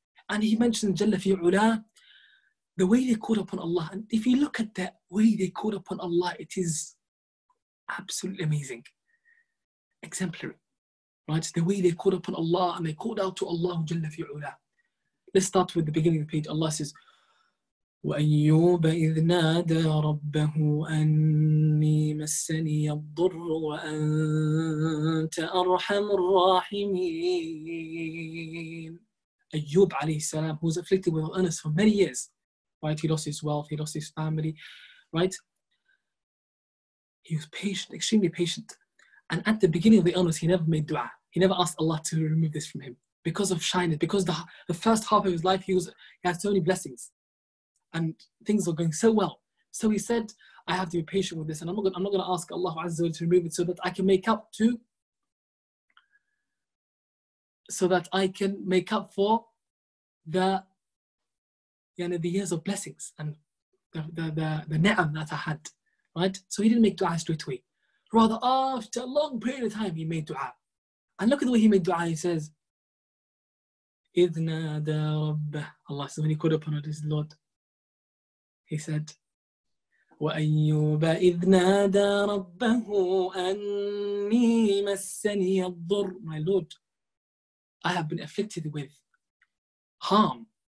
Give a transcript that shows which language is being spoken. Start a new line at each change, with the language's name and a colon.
English: And he mentions Jalla fi ula, the way they called upon Allah. And if you look at the way they called upon Allah, it is absolutely amazing. Exemplary. Right, the way they called upon Allah and they called out to Allah Jalla fi ula. Let's start with the beginning of the page. Allah says,
Arabic: وَأَيُّوبَ إِذْ نَادَى رَبَّهُ أَنِّي مَسَّنِيَ الضُّرُّ وَأَنْتَ أَرْحَمُ الرَّاحِمِينَ.
English: Ayyub alayhi salam, who was afflicted with illness for many years, right? He lost his wealth, he lost his family, right? He was patient, extremely patient. And at the beginning of the illness, he never made dua. He never asked Allah to remove this from him. Because of shyness, because the first half of his life, he had so many blessings. And things were going so well. So he said, I have to be patient with this. And I'm not going to ask Allah Azza wa Jalla to remove it so that I can make up to, so that I can make up for the, you know, the years of blessings and the ni'am that I had. Right? So he didn't make dua straight away. Rather, after a long period of time, he made dua. And look at the way he made dua. He says,
Arabic: إِذْ نَادَى رَبَّهُ.
English: Allah said, when he called upon his Lord, he said,
Arabic: وَأَيُّوبَ إِذْ نَادَى رَبَّهُ أَنِّي مَسَّنِيَ الضُّرُّ.
English: My Lord, I have been afflicted with harm.